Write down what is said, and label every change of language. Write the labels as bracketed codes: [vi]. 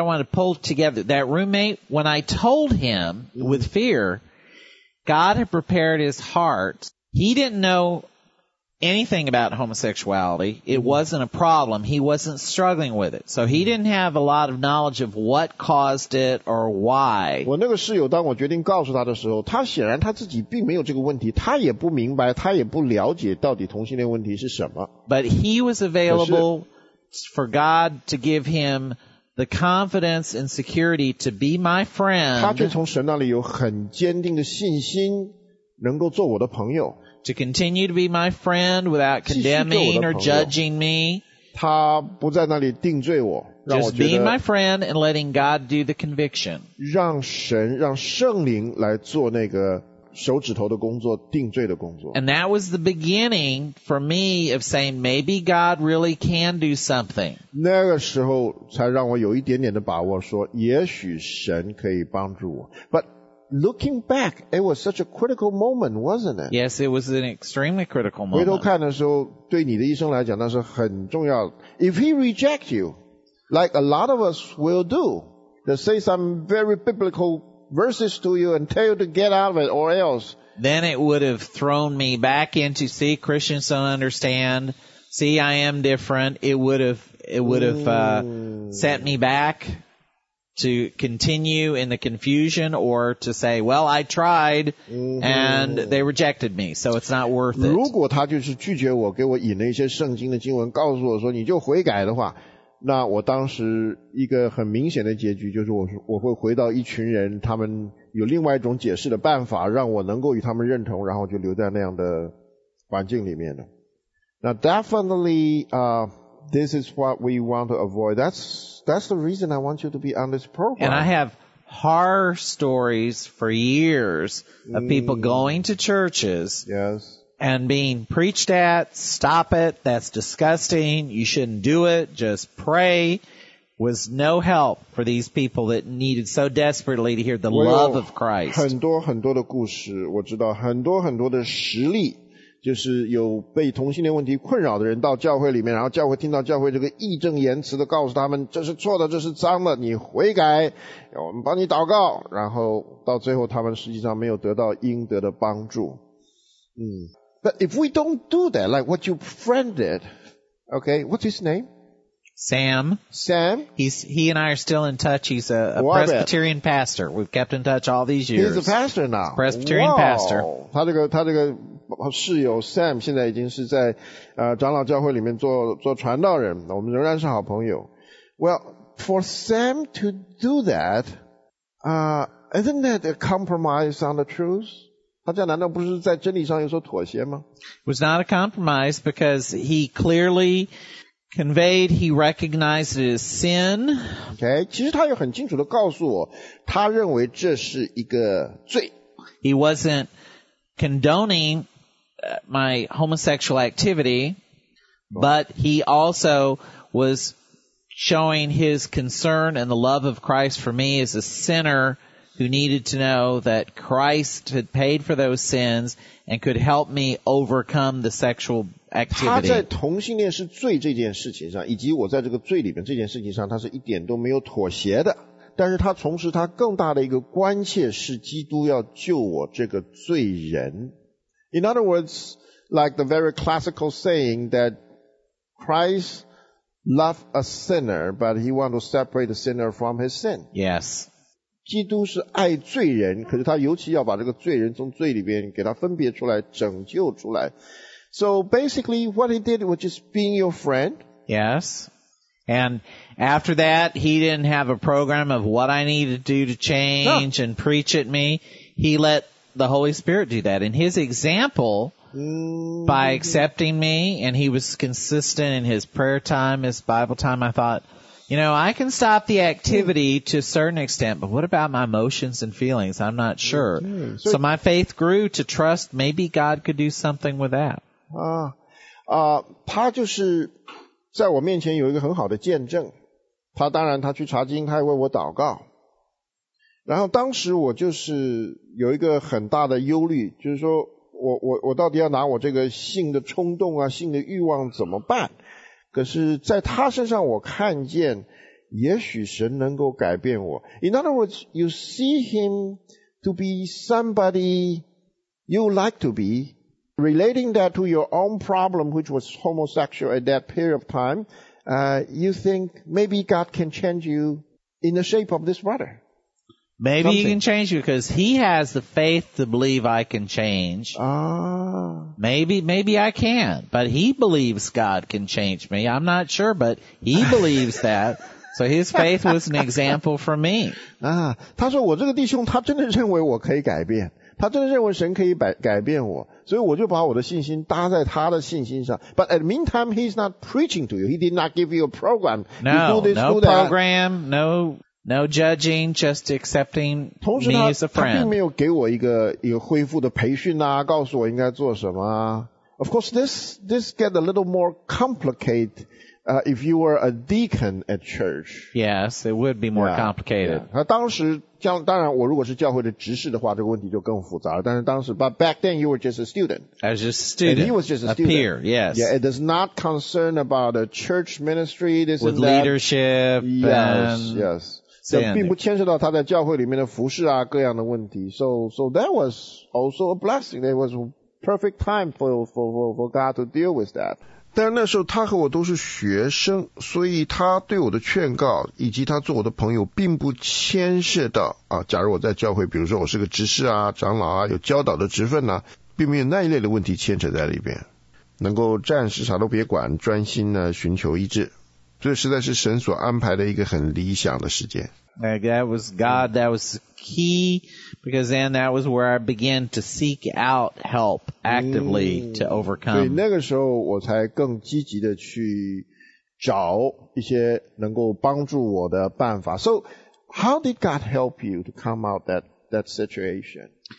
[en] But I wanted to pull together that roommate when I told him with fear, God had prepared his heart. He didn't know. Anything about homosexuality, it wasn't a problem. He wasn't struggling with it. So he didn't have a lot of knowledge of what caused it or why. [zh] 我那个室友当我决定告诉他的时候，他显然他自己并没有这个问题，他也不明白，他也不了解到底同性恋问题是什么。 [en] But he was available for God to give him the confidence and security to be my friend. [zh] 他却从神那里有很坚定的信心，能够做我的朋友。 [en] To continue to be my friend without condemning or judging me. [zh] 他不在那里定罪我。 [en] Just being my friend and letting God do the conviction. [zh] 让圣灵来做那个手指头的工作，定罪的工作。 [en] And that was the beginning for me of saying maybe God really can do something. [zh] 那个时候才让我有一点点的把握说也许神可以帮助我。But [en] looking back, it was such a critical moment, wasn't it? Yes, it was an extremely critical moment. [zh] 回头看的时候，对你的一生来讲，那是很重要。 [en] If he rejects you, like a lot of us will do, they say some very biblical verses to you and tell you to get out of it or else. Then it would have thrown me back into, see, Christians don't understand. See, I am different. It would have set me back. To continue in the confusion or to say, well, I tried, and they rejected me, so it's not worth it. [zh] 如果他就是拒绝我，给我引了一些圣经的经文，告诉我说你就悔改的话，那我当时一个很明显的结局就是我会回到一群人，他们有另外一种解释的办法，让我能够与他们认同，然后就留在那样的环境里面了。 [en] Now, definitely, This is what we want to avoid. That's the reason I want you to be on this program. And I have horror stories for years of people going to churches. Yes. And being preached at, stop it, that's disgusting, you shouldn't do it, just pray, was no help for these people that needed so desperately to hear the love of Christ. [zh] 很多很多的故事，我知道很多很多的实例。就是有被同性恋问题困扰的人到教会里面，然后教会听到教会这个义正言辞的告诉他们，这是错的，这是脏的，你悔改，我们帮你祷告，然后到最后他们实际上没有得到应得的帮助。 [en] But if we don't do that, like what you friend did, okay, what's his name? Sam. He and I are still in touch. He's a Presbyterian pastor. We've kept in touch all these years. He's a pastor now. Presbyterian pastor. [zh] 他这个室友 Sam 现在已经是在长老教会里面做传道人。我们仍然是好朋友。 [en] Well, for Sam to do that, isn't that a compromise on the truth? [zh] 他这样难道不是在真理上有所妥协吗 [en] It was not a compromise because he clearly... Conveyed, he recognized his sin. [zh] Okay, 其实他也很清楚地告诉我，他认为这是一个罪。 [en] He wasn't condoning my homosexual activity, but he also was showing his concern and the love of Christ for me as a sinner who needed to know that Christ had paid for those sins and could help me overcome the sexual. Activity. [zh] 他在同性恋是罪这件事情上，以及我在这个罪里面这件事情上，他是一点都没有妥协的。但是他同时，他更大的一个关切是基督要救我这个罪人。 [en] In other words, like the very classical saying that Christ loved a sinner, but he wanted to separate the sinner from his sin. Yes. [zh] 基督是爱罪人，可是他尤其要把这个罪人从罪里边给他分别出来，拯救出来。 [en] So basically, what he did was just being your friend. Yes. And after that, he didn't have a program of what I needed to do to change and preach at me. He let the Holy Spirit do that. And his example, by accepting me, and he was consistent in his prayer time, his Bible time, I thought, you know, I can stop the activity to a certain extent, but what about my emotions and feelings? I'm not sure. So my faith grew to trust maybe God could do something with that. [zh] 他就是在我面前有一个很好的见证。他当然他去查经，他也为我祷告。然后当时我就是有一个很大的忧虑，就是说我到底要拿我这个性的冲动啊，性的欲望怎么办？可是在他身上我看见也许神能够改变我。 [en] In other words, you see him to be somebody you like to be,Relating that to your own problem, which was homosexual at that period of time, you think maybe God can change you in the shape of this brother. Maybe he can change you because he has the faith to believe I can change. Maybe I can, but he believes God can change me. I'm not sure, but he believes that. So his faith was an example for me. 他说我这个弟兄他真的认为我可以改变。他真的认为神可以改变我，所以我就把我的信心搭在他的信心上。 But at the meantime, he's not preaching to you. He did not give you a program. No, you do this, no do that. Program, no judging, just accepting me as a friend. [zh] 同时他并没有给我一个恢复的培训啊，告诉我应该做什么。 [en] Of course, this get a little more complicated. If you were a deacon at church, yes, it would be more complicated. [zh] 他当时将当然我如果是教会的执事的话这个问题就更复杂了但是当时 [en] but back then you were just a student I was just a student and he was just a student a peer yes yeah, it does not concern about a church ministry this with and that. leadership yes yes [zh] 这并不牵涉到他在教会里面的服事啊各样的问题 [en] so that was also a blessing it was a perfect time for God to deal with that [zh] 但那时候他和我都是学生所以他对我的劝告以及他做我的朋友并不牵涉到啊，假如我在教会比如说我是个执事啊长老啊有教导的职分啊并没有那一类的问题牵扯在里边能够暂时啥都别管专心的寻求医治这实在是神所安排的一个很理想的时间 [en] That was God, that was key because then that was where I began to seek out help actively to overcome [zh] 对那个时候我才更积极的去找一些能够帮助我的办法 [en] So how did God help you to come out that situation?